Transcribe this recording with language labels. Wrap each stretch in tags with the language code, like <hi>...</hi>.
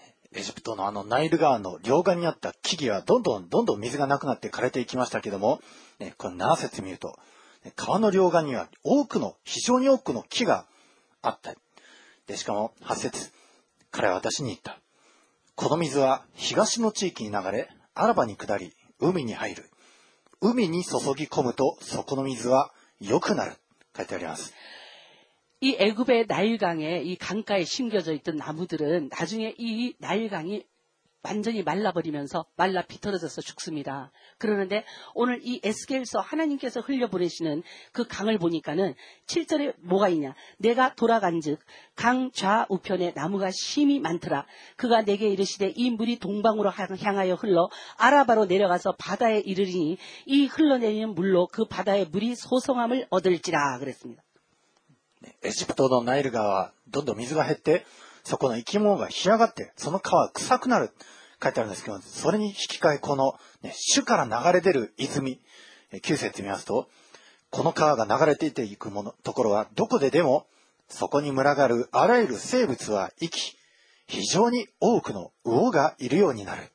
<ja>에집트의あの나일川の両岸にあった木々はどんどんどんどん水がなくなって枯れていきましたけども、ね、この7節見ると川の両岸には多くの非常に多くの木があった。でしかも8節彼は私に言った。この水は東の地域に流れ、アラバに下り、海に入る。海に注ぎ込むと、そこの水は良くなる。書いてあります。</ja> <ko>이애굽의나일강에이강가에심겨져있던나무들은나중에이나일강이완전히말라버리면서말라비틀어져서죽습니다. 그러는데오늘이에스겔서하나님께서흘려보내시는그강을보니까는7절에뭐가있냐? 내가돌아간즉강좌우편에나무가심히많더라. 그가내게이르시되이물이동방으로향하여흘러아라바로내려가서바다에이르리니이흘러내는물로그바다의물이소성함을얻을지라그랬습니다.</ko> <ja>エジプトのナイル川はどんどん水が減ってそこの生き物が干上がってその川は臭くなる書いてあるんですけどそれに引き換えこの、ね、主から流れ出る泉9節見ますとこの川が流れ出ていくものところはどこででもそこに群がるあらゆる生物は生き非常に多くの魚がいるようになる</ja>